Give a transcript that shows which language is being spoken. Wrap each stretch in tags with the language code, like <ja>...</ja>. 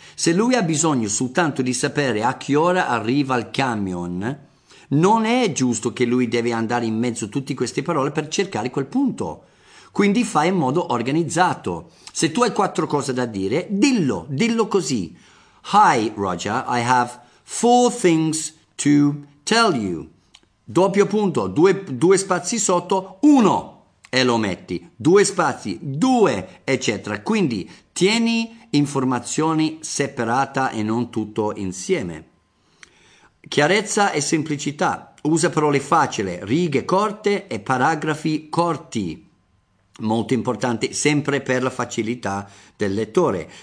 <it>Se lui ha bisogno soltanto di sapere a che ora arriva il camion, non è giusto che lui deve andare in mezzo a tutte queste parole per cercare quel punto. Quindi fai in modo organizzato. Se tu hai quattro cose da dire, dillo così.</it> <en>Hi Roger, I have four things to tell you.</en> <it>Doppio punto, due spazi sotto, uno, e lo metti. Due spazi, due, eccetera. Quindi tieni informazioni separata e non tutto insieme. Chiarezza e semplicità, usa parole facili, righe corte e paragrafi corti, molto importante, sempre per la facilità del lettore.</it>